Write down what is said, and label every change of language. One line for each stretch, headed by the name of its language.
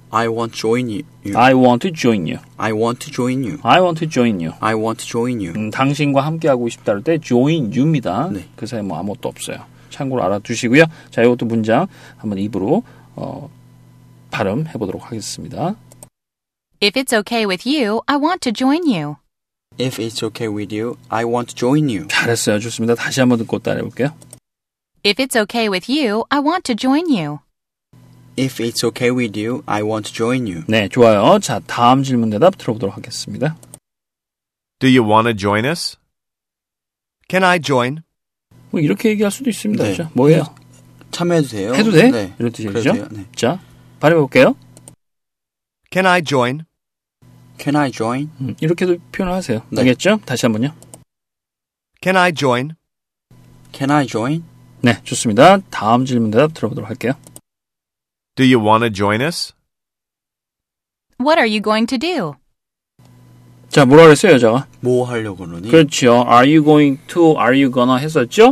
English: I want to join you. I want to join you. I want to join you. I want to join you. I want to join you.
Korean: 당신과 함께 하고 싶다 할 때 join you입니다. 네. 그 사이에 뭐 아무것도 없어요. 참고로 알아두시고요. 자, 이것도 문장 한번 입으로 발음해 보도록 하겠습니다.
English: If it's okay with you, I want to join you. If it's okay with you, I want to join you.
Korean: 잘했어요. 좋습니다. 다시 한번 듣고 따라해 볼게요. If it's okay with you, I want to join you. If it's okay with you, I want to join you. 네, 좋아요. 자, 다음 질문 대답 들어보도록 하겠습니다.
English: Do you want to join us? Can I join?
Korean: 뭐 이렇게 얘기할 수도 있습니다. 네. 그렇죠? 뭐예요? 참여해도 돼요? 해도 돼? 네. 이런 뜻이죠? 네. 자, 발음해 볼게요.
English: Can I join? Can I join?
Korean: 이렇게도 표현을 하세요. 네. 알겠죠? 다시 한번요.
English: Can I join? Can I join?
Korean: 네, 좋습니다. 다음 질문 대답 들어보도록 할게요.
English: Do you want to join us? What are you going to do?
Korean: 자, 뭐라고 했어요, 여자가? 뭐 하려고 그러니? 그렇죠.
English: Are you going to, are you gonna
Korean: 했었죠?